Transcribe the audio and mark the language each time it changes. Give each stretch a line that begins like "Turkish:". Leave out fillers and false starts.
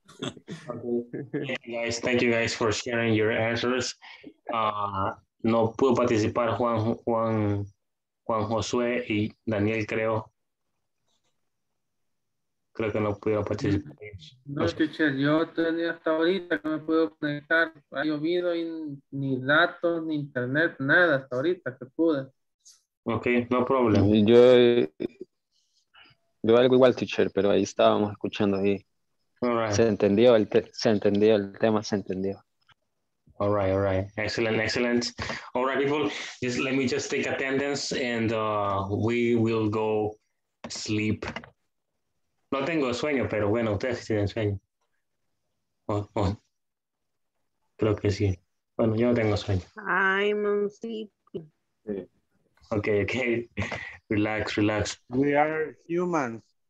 English: Okay. Hey guys, thank you guys for sharing your answers.
Spanish: No pudo participar Juan Josué y Daniel, creo. Creo que no pudieron participar. No, teacher, yo tenía hasta ahorita que me puedo conectar. Ha llovido y ni datos, ni internet, nada hasta ahorita que pude.
English: Ok, no problem.
Spanish: Yo Veo algo igual, teacher, pero ahí estábamos escuchando y se entendió el tema.
English: All right. Excellent. All right, people, just let me just take attendance and we will go sleep.
Spanish: No tengo sueño, pero bueno, ustedes tienen sueño. Creo que sí. Bueno, yo no tengo sueño.
English: I'm sleeping. Okay. Relax. We are humans.